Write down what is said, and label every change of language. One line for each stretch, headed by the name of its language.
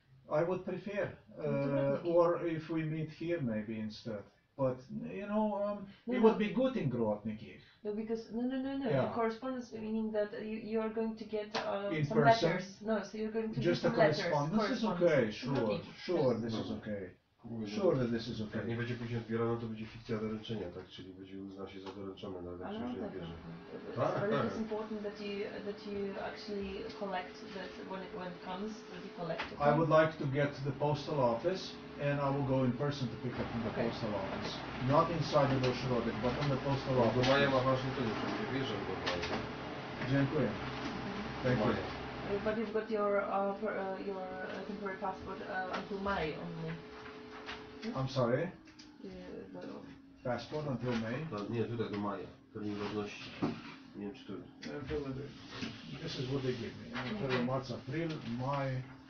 English: I would prefer, or if we meet here maybe instead. But, you know, it would be good in Grodniki. No, because, yeah. The correspondence meaning that you are going to get some person? Letters. No, so you're going to just get some letters. Just a correspondence is okay, sure, this is okay. Sure, that this is okay.
Polish: Jak nie będzie później odbierana, to będzie fikcja doręczenia, tak? Czyli będzie uzna się za doręczone, nawet jeśli już nie odbierze.
English: It's important that you actually collect that when it comes, that you collect it. I would like to get to the postal office, and I will go in person to pick up from the postal office. Not inside the Ośrodek, but on the postal office.
Polish: Bo Maja ma ważne to, że nie wierzę w to. Dziękuję.
English: Thank you. But you've got your temporary passport until May only. I'm sorry. Passport until May.
Polish: Nie, tutaj do maja. Pewnie ważności. Nie wiem, czy to.
English: This is what they give me. February, March, April, May.